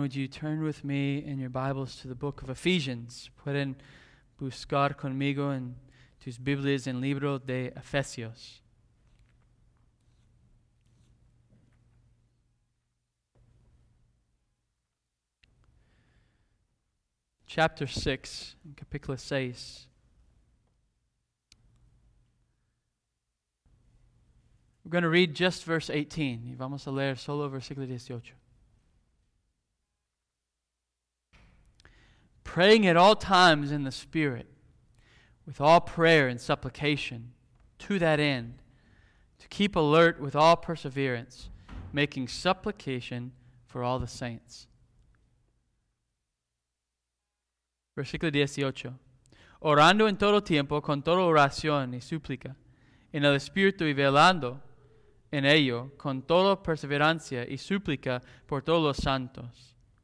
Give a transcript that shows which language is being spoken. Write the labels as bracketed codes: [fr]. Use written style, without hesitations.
[en] Would you turn with me in your Bibles to the book of Ephesians? [es] Pueden buscar conmigo en tus Biblias en libro de Efesios. [en] Chapter 6, [es] capítulo 6. [en] We're going to read just verse 18. [es] Y vamos a leer solo versículo 18. [en] Praying at all times in the Spirit, with all prayer and supplication, to that end, to keep alert with all perseverance, making supplication for all the saints. [es] Versículo 18. Orando en todo tiempo, con toda oración y súplica, en el Espíritu y velando en ello, con toda perseverancia y súplica por todos los santos.